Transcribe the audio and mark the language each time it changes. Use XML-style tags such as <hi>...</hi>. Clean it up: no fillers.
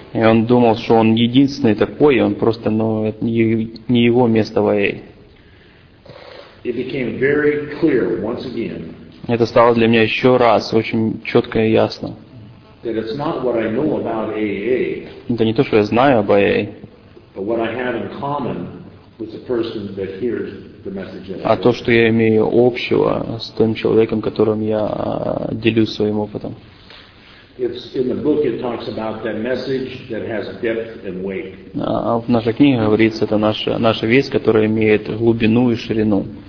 <ru>И он думал, что он единственный такой, он просто, ну, это не его место в АА.</ru> <en>It became very clear once again.</en> <ru>Это стало для меня еще раз очень четко и ясно.</ru> <en>That it's not what I know about AA.</en> <ru>Это не то, что я знаю об АА.</ru> <en>But what I have in common with the person that hears the message.</en> <ru>А то, что я имею общего с тем человеком, которым я делюсь своим опытом.</ru> <en>It's in the book. It talks about that message that has depth and weight.</en> <ru>В нашей книге говорится, это наша весть, которая имеет глубину и ширину.</ru>